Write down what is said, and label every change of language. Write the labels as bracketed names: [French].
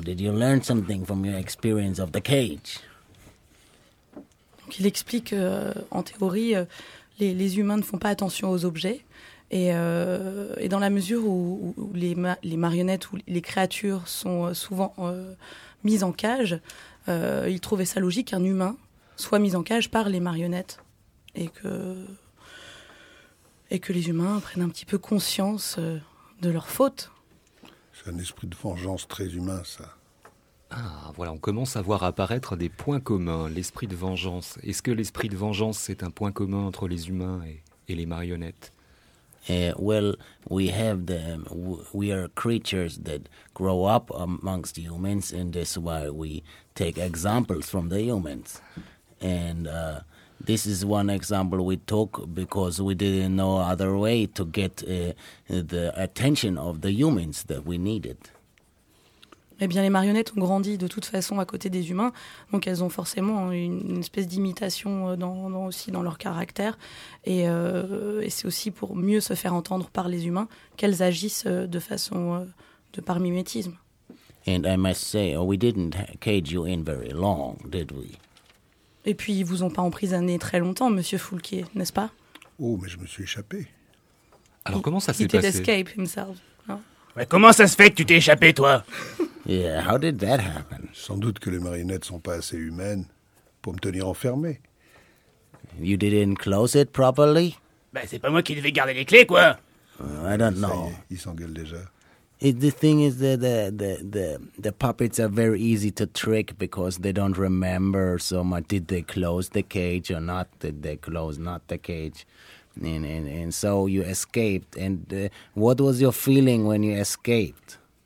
[English] Did you learn something from your experience of the cage? [French] Donc, il explique qu'en théorie, les humains ne font pas attention aux objets. Et dans la mesure où les marionnettes ou les créatures sont souvent mises en cage, il trouvait ça logique qu'un humain soit mis en cage par les marionnettes. Et que les humains prennent un petit peu conscience de leur faute. Un esprit de vengeance très humain, ça. Ah, voilà, on commence à voir apparaître des points communs, l'esprit de vengeance. Est-ce que l'esprit de vengeance, c'est un point commun entre les humains et les marionnettes? [English] Well, we have them. We are creatures that grow up amongst humans, and that's why we take examples from the humans. And this is one example we took because we didn't know other way to get the attention of the humans that we needed. [French] Eh bien, les marionnettes ont grandi de toute façon à côté des humains, donc elles ont forcément une espèce d'imitation aussi dans leur caractère. Et c'est aussi pour mieux se faire entendre par les humains qu'elles agissent de façon de par mimétisme. [English] And I must say, we didn't cage you in very long, did we? [French] Et puis, ils ne vous ont pas emprisonné très longtemps, Monsieur Foulquier, n'est-ce pas? Oh, mais je me suis échappé. Alors, comment ça s'est passé? [English] He did escape himself. [French] Mais comment ça se fait que tu t'es échappé, toi? [English] Yeah, how did that happen? [French] Sans doute que les marionnettes ne sont pas assez humaines pour me tenir enfermé. [English] You didn't close it properly? [French] Ben, c'est pas moi qui devais garder les clés, quoi. [English] I don't know. [French] Ça y est, ils s'engueulent déjà. [English] The thing is that the puppets are very easy to trick because they don't remember so much. Did they close the cage or not? Did they close not the cage? And so you escaped. And what was your feeling when you escaped?